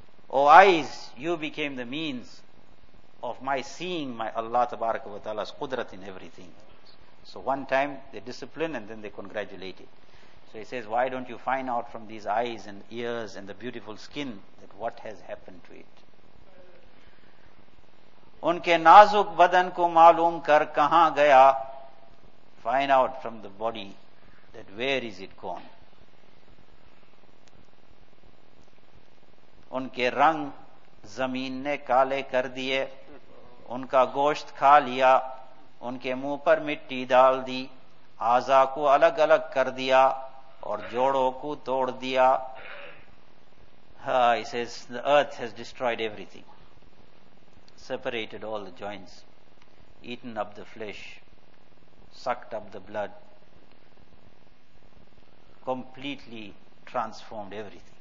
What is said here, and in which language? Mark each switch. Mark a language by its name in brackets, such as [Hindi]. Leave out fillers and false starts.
[English] Oh eyes, you became the means of my seeing my Allah tabaraka wa ta'ala's qudrat in everything. So one time they discipline and then they congratulate it. So he says, why don't you find out from these eyes and ears and the beautiful skin that what has happened to it? [Urdu] ان کے نازک بدن کو معلوم کر کہاں گیا. [English] Find out from the body that where is it gone. [Urdu] ان کے رنگ زمین نے کالے کر دیے, ان کا گوشت کھا لیا, ان کے منہ پر مٹی ڈال دی, اعضا کو الگ الگ کر دیا اور جوڑوں کو توڑ دیا. [English] He says the earth has destroyed everything, separated all the joints, eaten up the flesh, sucked up the blood, completely transformed everything.